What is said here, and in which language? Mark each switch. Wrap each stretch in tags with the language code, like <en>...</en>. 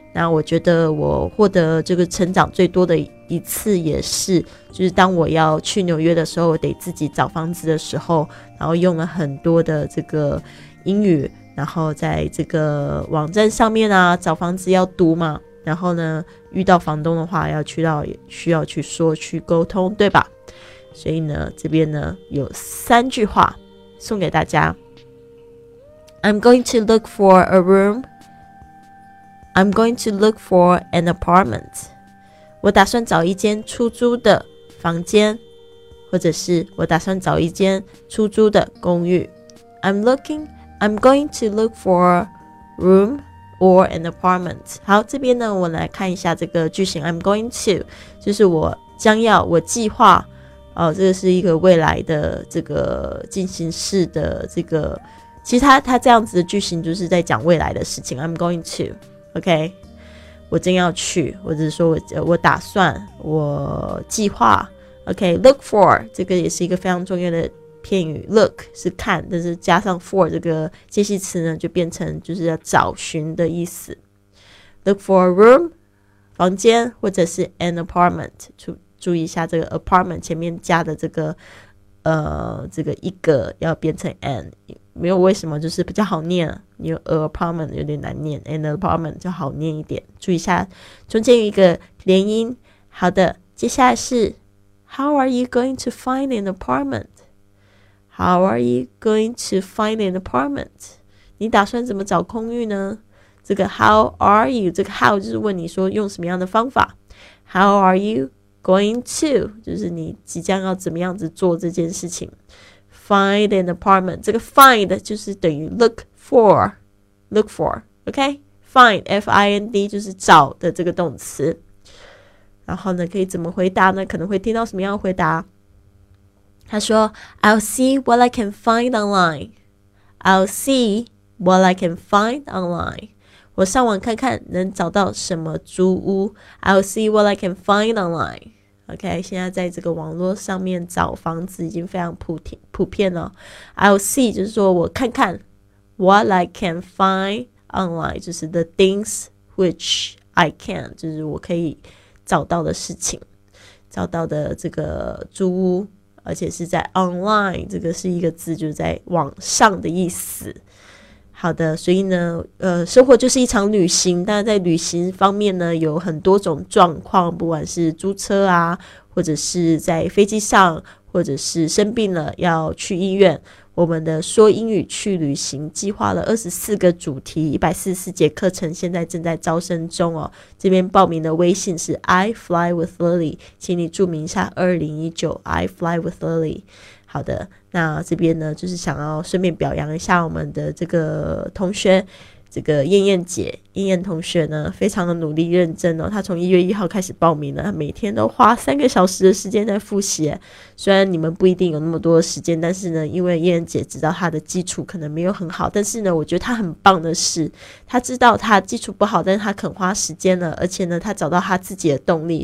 <zh>那我觉得我获得这个成长最多的一次也是，就是当我要去纽约的时候，我得自己找房子的时候，然后用了很多的这个英语，然后在这个网站上面啊，找房子要读嘛，然后呢遇到房东的话要去到需要去说去沟通，对吧？所以呢这边呢有三句话送给大家。</zh> <en>I'm going to look for a room. I'm going to look for an apartment.</en> <zh>我打算找一间出租的房间，或者是我打算找一间出租的公寓。</zh> <en>I'm going to look for a room or an apartment.</en> <zh>好，这边呢我来看一下这个句型。</zh> <en>I'm going to</en> <zh>就是我将要，我计划，这个是一个未来的这个进行式的这个，其实它这样子的句型就是在讲未来的事情。 I'm going to OK 我正要去，或者说 我打算，我计划。 OK look for 这个也是一个非常重要的片语， look 是看，但是加上 for 这个介系词呢就变成就是要找寻的意思。 look for a room 房间，或者是 an apartment， 注意一下这个 apartment 前面加的这个这个一个要变成 an， 没有为什么，就是比较好念，你有 apartment 有点难念， an apartment 就好念一点，注意一下中间有一个连音。好的，接下来是</zh> <en>how are you going to find an apartmentHow are you going to find an apartment?</en> <zh>你打算怎么找公寓呢？这个 how are you, 这个 how 就是问你说用什么样的方法。</zh> <en>How are you going to,</en> <zh>就是你即将要怎么样子做这件事情。</zh> <en>Find an apartment, 这个 find</en> <zh>就是等于</zh> <en>look for, OK?</en> <zh>Find, F-I-N-D 就是找的这个动词。然后呢可以怎么回答呢？可能会听到什么样的回答。他说</zh> <en>I'll see what I can find online. I'll see what I can find online.</en> <zh>我上网看看能找到什么租屋。</zh> <en>I'll see what I can find online.</en> <zh>OK, 现在在这个网络上面找房子已经非常普遍了。 I'll see 就是说我看看</zh> <en>what I can find online,</en> <zh>就是</zh> <en>the things which I can,</en> <zh>就是我可以找到的事情，找到的这个租屋，而且是在 online, 这个是一个字就是在网上的意思。好的，所以呢生活就是一场旅行，但在旅行方面呢有很多种状况，不管是租车啊，或者是在飞机上，或者是生病了要去医院。我们的说英语去旅行计划了24个主题，144节课程现在正在招生中哦。这边报名的微信是 I fly with Lily, 请你注明一下2019 I fly with Lily。好的，那这边呢就是想要顺便表扬一下我们的这个同学，这个燕燕姐，燕燕同学呢非常的努力认真哦，她从1月1号开始报名了，每天都花三个小时的时间在复习。虽然你们不一定有那么多的时间，但是呢因为燕燕姐知道她的基础可能没有很好，但是呢我觉得她很棒的是她知道她基础不好，但是她肯花时间了，而且呢她找到她自己的动力。</zh>